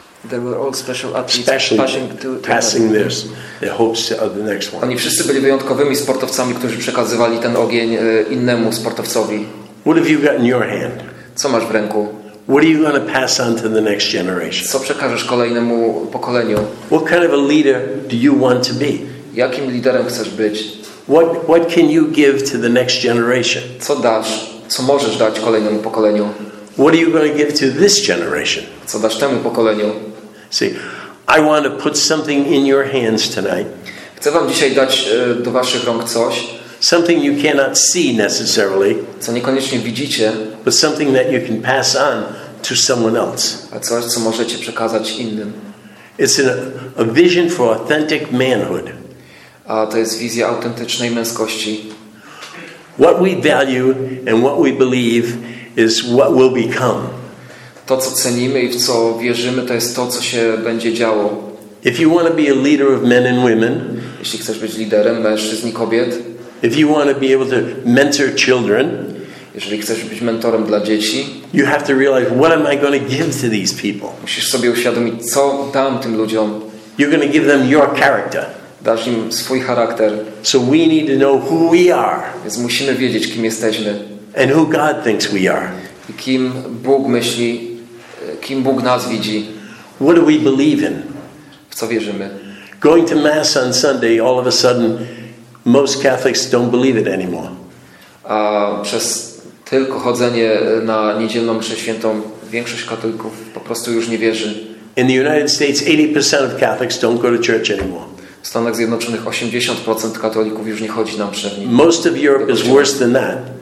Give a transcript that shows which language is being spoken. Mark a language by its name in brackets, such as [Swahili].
[English] They were all special athletes passing their hopes to the next one. [Polish] Oni wszyscy byli wyjątkowymi sportowcami, którzy przekazywali ten ogień innemu sportowcowi. [English] What have you got in your hand? [Polish] Co masz w ręku? [English] What are you going to pass on to the next generation? [Polish] Co przekażesz kolejnemu pokoleniu? [English] What kind of a leader do you want to be? [Polish] Jakim liderem chcesz być? [English] What can you give to the next generation? [Polish] Co dasz? Co możesz dać kolejnemu pokoleniu? [English] What are you going to give to this generation? [Polish] Co dasz temu pokoleniu? [English] See, I want to put something in your hands tonight. [Polish] Chcę wam dzisiaj dać do waszych rąk coś. [English] Something you cannot see necessarily. [Polish] Co niekoniecznie widzicie. [English] But something that you can pass on to someone else. [Polish] A coś, co możecie przekazać innym. [English] It's a vision for authentic manhood. [Polish] A to jest wizja autentycznej męskości. [English] What we value and what we believe is what will become. [Polish] To, co cenimy i w co wierzymy, to jest to, co się będzie działo. [English] If you want to be a leader of men and women, [Polish] jeśli chcesz być liderem mężczyzn i kobiet, [English] if you want to be able to mentor children, [Polish] jeżeli chcesz być mentorem dla dzieci, [English] you have to realize, what am I going to give to these people? [Polish] Musisz sobie uświadomić, co dam tym ludziom. [English] You're going to give them your character. [Polish] Dasz im swój charakter. [English] So we need to know who we are. [Polish] Więc musimy wiedzieć, kim jesteśmy. [English] And who God thinks we are. [Polish] I kim Bóg myśli, kim Bóg nas widzi. [English] What do we believe in? [Polish] W co wierzymy? [English] Going to mass on Sunday, all of a sudden, most Catholics don't believe it anymore. [Polish] A przez tylko chodzenie na niedzielną mszę świętą, większość katolików po prostu już nie wierzy. [English] In the United States, 80% of Catholics don't go to church anymore. [Polish] W Stanach Zjednoczonych 80% katolików już nie chodzi na mszę. [English] Most of Europe is worse than that.